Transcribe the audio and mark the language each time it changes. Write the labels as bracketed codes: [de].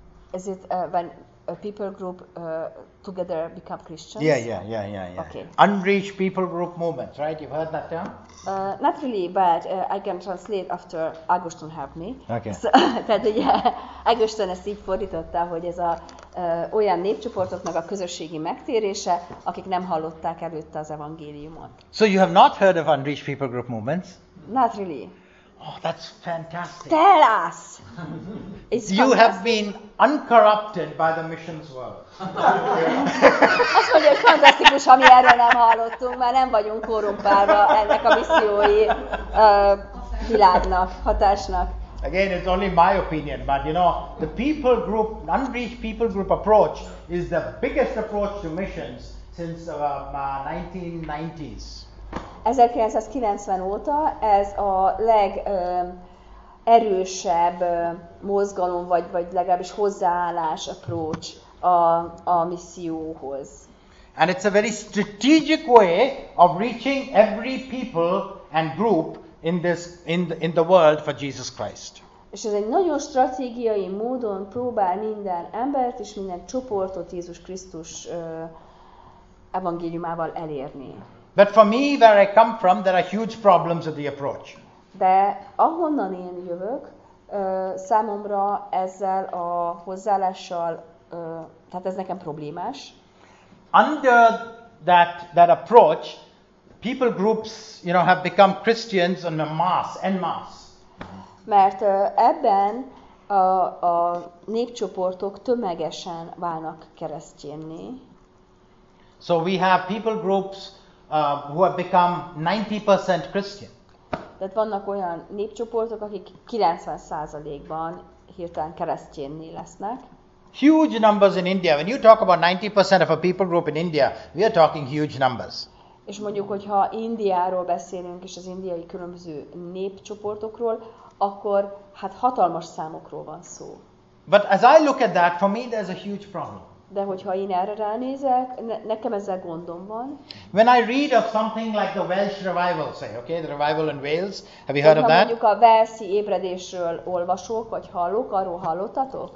[en] Is it when a people group together become Christians? Yeah. Okay. Unreached people group movements, right? You've heard that term? Not really, but I can translate after Augustine helped me. Okay. [hu] Tehát ugye Augustine ezt így fordította, hogy ez a olyan népcsoportoknak a közösségi megtérése, akik nem hallották előtte az evangéliumot. [en] So you have not heard of unreached people group movements? Not really. Oh, that's fantastic. Tell us. It's you fantastic. Have been uncorrupted by the missions world. [hu] Azt mondja, hogy fantasztikus, ami erről nem hallottunk, mert nem vagyunk korrumpálva ennek a missziói világnak, hatásnak. [en] Again, it's only my opinion, but you know, the people group, unreached people group approach is the biggest approach to missions since the 1990s. [hu] 1990 óta ez a legerősebb mozgalom, vagy legalábbis hozzáállás, approach a misszióhoz. [en] And it's a very strategic way of reaching every people and group in the world for Jesus Christ. [hu] És ez egy nagyon stratégiai módon próbál minden embert és minden csoportot Jézus Krisztus evangéliumával elérni. [en] But for me, where I come from, there are huge problems with the approach. [hu] De ahonnan én jövök, számomra ezzel a hozzáállással, tehát ez nekem problémás. [en] Under that approach, people groups, you know, have become Christians on en masse. [hu] Mert ebben a népcsoportok tömegesen válnak keresztyénné. [en] So we have people groups who have become 90% Christian. [hu] Tehát vannak olyan népcsoportok, akik 90%-ban hirtelen keresztyénné lesznek. [en] Huge numbers in India. When you talk about 90% of a people group in India, we are talking huge numbers. [hu] És mondjuk, hogyha Indiáról beszélünk, és az indiai különböző népcsoportokról, akkor hát hatalmas számokról van szó. [en] But as I look at that, for me there's a huge problem. [hu] De hogyha én erre ránézek, nekem ezzel gondom van. [en] When I read of something like the Welsh revival, say, okay, the revival in Wales, have you heard of that? [hu] Mondjuk a walesi ébredésről olvasok, vagy hallok, arról hallottatok?